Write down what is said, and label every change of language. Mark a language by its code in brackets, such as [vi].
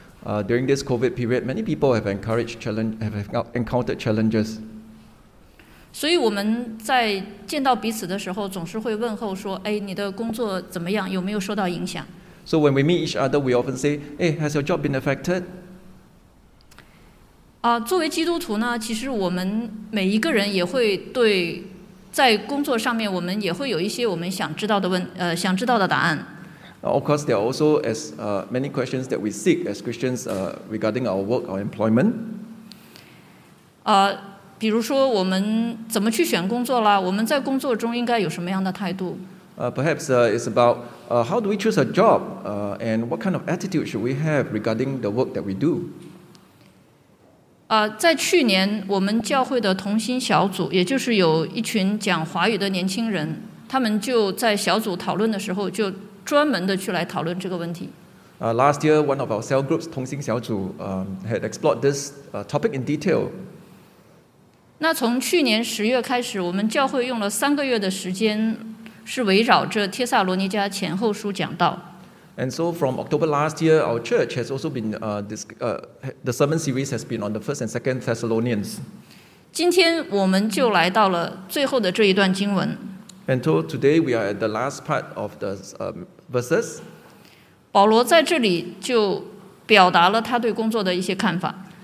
[en] During this COVID period, many people have encountered challenges. [zh] 所以我们在见到彼此的时候，总是会问候说：“哎，你的工作怎么样？有没有受到影响？” [en] So when we meet each other, we often say, "Hey, has your job been affected?" [zh] 作为基督徒呢，其实我们每一个人也会对在工作上面，我们也会有一些我们想知道的想知道的答案。 [en] Of course, there are also as many questions that we seek as Christians regarding our work, our employment. [zh] 比如说我们怎么去选工作啦？我们在工作中应该有什么样的态度？ [en] Perhaps it's about how do we choose a job? And what kind of attitude should we have regarding the work that we do? [zh] 在去年我们教会的同心小组，也就是有一群讲华语的年轻人，他们就在小组讨论的时候就专门的去来讨论这个问题。 [en] Last year, one of our cell groups, 同心小组, had explored this topic in detail. [zh] 那从去年十月开始，我们教会用了三个月的时间是围绕着帖撒罗尼迦前后书讲道。 [en] And so from October last year, our church has also been, the sermon series has been on the 1st and 2nd Thessalonians. [zh] 今天我们就来到了最后的这一段经文。 [en] And so today we are at the last part of the verses. [zh] 保罗在这里就表达了他对工作的一些看法。